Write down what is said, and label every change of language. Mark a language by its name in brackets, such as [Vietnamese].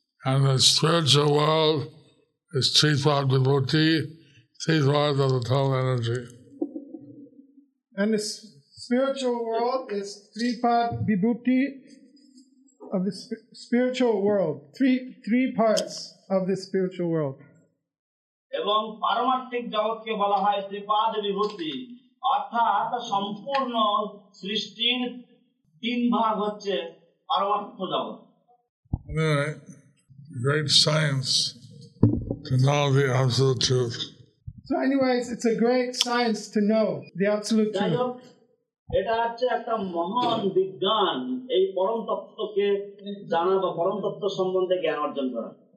[English] And the spiritual world is three-part vibhuti, three-part of the total energy. And the spiritual world is three-part vibhuti of the spiritual world, three parts of the spiritual world. [Bangla] এবং পারমার্থিক জগৎকে বলা হয় ত্রিপাদ বিভূতি অর্থাৎ সম্পূর্ণ সৃষ্টির তিন ভাগ হচ্ছে পারমার্থ জগৎ. [English] Great science to know the absolute truth. So anyways, it's a great science to know the absolute truth. [Bangla] এটা হচ্ছে একটা মহান বিজ্ঞান এই পরম তত্ত্বকে জানা বা পরম তত্ত্ব সম্বন্ধে জ্ঞান অর্জন করা.